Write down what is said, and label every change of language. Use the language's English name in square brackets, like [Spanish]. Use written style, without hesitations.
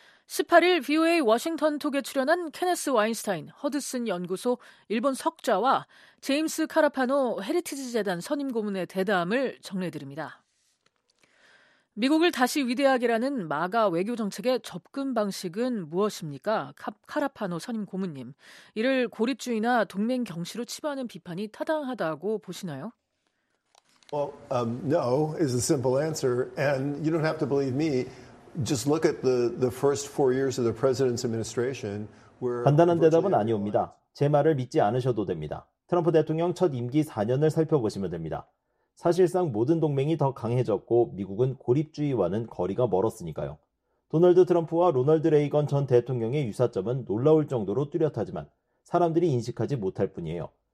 [Korean] 18일 VOA 워싱턴 톡에 출연한 케네스 와인스타인 허드슨 연구소 일본 석좌와 제임스 카라파노 헤리티지 재단 선임 고문의 대담을 정리해드립니다. 미국을 다시 위대하게라는 마가 외교 정책의 접근 방식은 무엇입니까? 카라파노 선임 고문님, 이를 고립주의나 동맹 경시로 치부하는 비판이 타당하다고 보시나요? [English] Well, no is the simple answer, and you don't have to believe me. Just look at the first four years of the president's administration. [Korean] 간단한 대답은 아니옵니다. 제 말을 믿지 않으셔도 됩니다. 트럼프 대통령 첫 임기 4년을 살펴보시면 됩니다. 사실상 모든 동맹이 더 강해졌고 미국은 고립주의와는 거리가 멀었으니까요. 도널드 트럼프와 로널드 레이건 전 대통령의 유사점은 놀라울 정도로 뚜렷하지만 사람들이 인식하지 못할 뿐이에요.